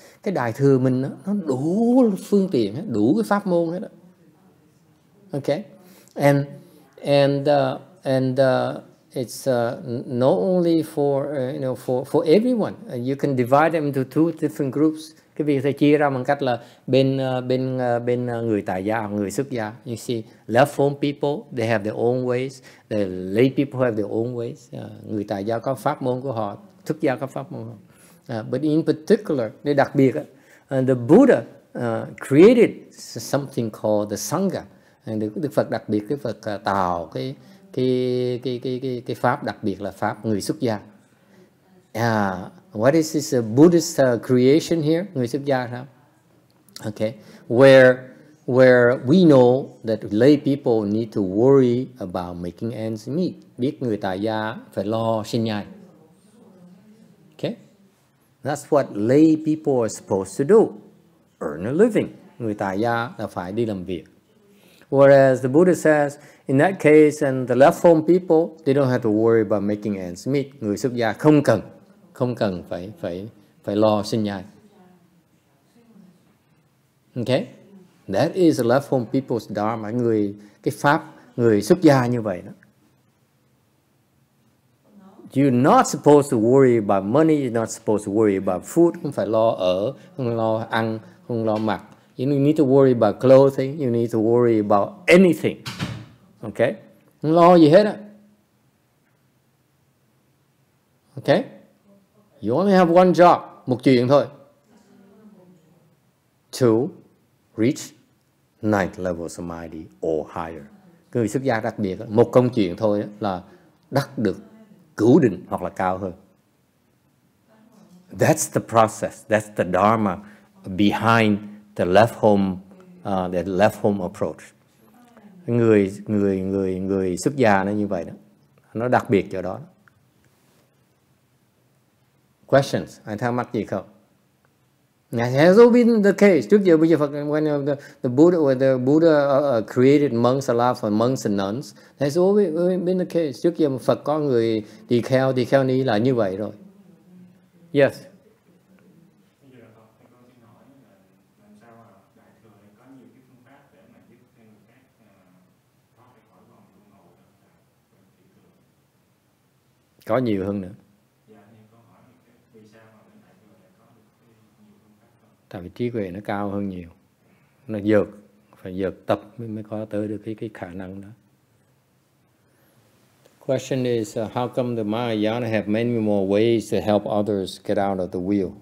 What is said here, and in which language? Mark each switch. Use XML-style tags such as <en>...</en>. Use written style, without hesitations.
<vi>Cái Đại Thừa mình nó đủ phương tiện, đủ cái pháp môn hết.</vi> <en>Okay, it's not only for you know for everyone. You can divide them into two different groups.</en> <vi>Cái việc thầy chia ra bằng cách là bên người tại gia, người xuất gia.</vi> <en>You see, left form people they have their own ways. The lay people have their own ways.</en> <vi>Người tại gia có pháp môn của họ, xuất gia có pháp môn của họ.</vi> <en>But in particular,</en> <vi>để đặc biệt,</vi> <en>the Buddha created something called the Sangha.</en> <vi>Đức Phật đặc biệt, cái Phật tạo cái pháp đặc biệt là pháp người xuất gia.</vi> <en>What is this Buddhist creation here?</en> <vi>Người xuất gia sao?</vi> <en>Okay, where we know that lay people need to worry about making ends meet.</en> <vi>Biết người tại gia phải lo sinh nhai.</vi> <en>Okay, that's what lay people are supposed to do, earn a living.</en> <vi>Người tại gia là phải đi làm việc.</vi> <en>Whereas the Buddha says, in that case, and the left home people, they don't have to worry about making ends meet.</en> <vi>Người xuất gia không cần phải lo sinh nhai.</vi> <en>Okay? That is the left home people's dharma,</en> <vi>người, cái pháp, người xuất gia như vậy đó.</vi> <en>You're not supposed to worry about money, you're not supposed to worry about food,</en> <vi>không phải lo ở, không lo ăn, không lo mặc.</vi> <en>You don't need to worry about clothing, you need to worry about anything.</en> <vi>Okay? Không lo gì hết á.</vi> <en>Okay? You only have one job,</en> <vi>một chuyện thôi.</vi> <en>To reach ninth level samadhi or higher.</en> <vi>Người xuất gia đặc biệt, một công chuyện thôi là đắc được cửu định hoặc là cao hơn.</vi> <en>That's the process. That's the dharma behind the left home, the left home approach.</en> <vi>Người xuất gia nó như vậy đó. Nó đặc biệt chỗ đó.</vi> <en>Questions?</en> <vi>Ai thắc mắc gì không?</vi> <en>Now, has all been the case.</en> <vi>Trước giờ bây giờ Phật,</vi> <en>when the Buddha created monks a lot for monks and nuns, has always been the case.</en> <vi>Trước giờ Phật có người đi theo ni là như vậy rồi. Yes. Có nhiều hơn nữa. Tại vì trí tuệ nó cao hơn nhiều, nó dược, phải dược tập mới có tới được cái khả năng đó.</vi> <en>Question is, how come the Mahayana have many more ways to help others get out of the wheel?</en>